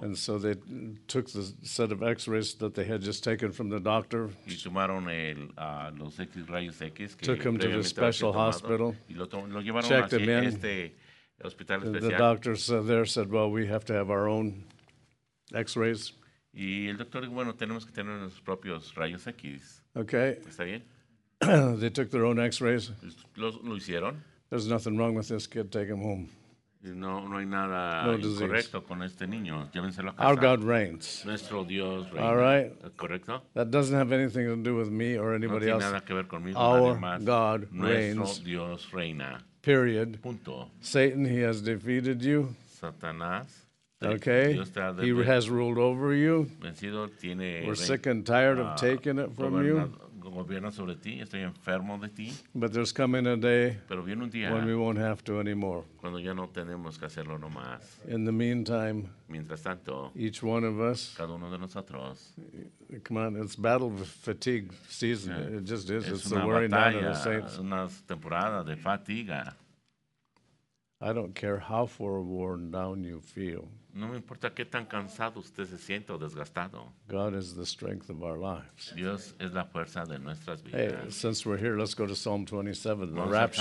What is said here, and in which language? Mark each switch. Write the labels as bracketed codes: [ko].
[en] And so they took the set of X-rays that they had just taken from the doctor. [es] Y tomaron los X, rayos X que [en] took him to the special [es] tomado, [en] hospital. [es] Y lo llevaron [en] checked him in. [es] Este hospital especial. [en] The doctors there said, well, we have to have our own X-rays. [es] Y el doctor dijo, bueno, tenemos que tener nuestros propios rayos X. [en] Okay. [es] ¿Está bien? [en] They took their own X-rays. [es] Lo hicieron. [en] There's nothing wrong with this kid. Take him home. [es] No, no hay nada incorrecto con este niño. Llévenselo a casa. [en] Our God reigns. [es] Nuestro Dios reina. [en] All right. [es] ¿Correcto? [en] That doesn't have anything to do with me or anybody else. [es] No tiene nada que ver conmigo. [en] Our God reigns. [es] Nuestro Dios reina. [en] Period. [es] Punto. [en] Satan, he has defeated you. [es] Satanás. [en] Okay. He has ruled over you. [es] Vencido, tiene. [en] We're sick and tired of taking it from you. [es] Gobierna sobre ti, estoy enfermo de ti. [en] But there's coming a day when we won't have to anymore. [es] Cuando ya no tenemos que hacerlo nomás. [en] In the meantime, [es] mientras tanto, [en] each one of us, [es] cada uno de nosotros, [en] come on, it's battle fatigue season. Yeah. It just is. It's the worry now of the saints. [es] Es una temporada de fatiga. [en] I don't care how worn down you feel. [es] No me importa qué tan cansado usted se siente o desgastado. [en] God is the strength of our lives. [es] Dios es la fuerza de nuestras vidas. [en] Hey, since we're here, let's go to Psalm 27, the rapture.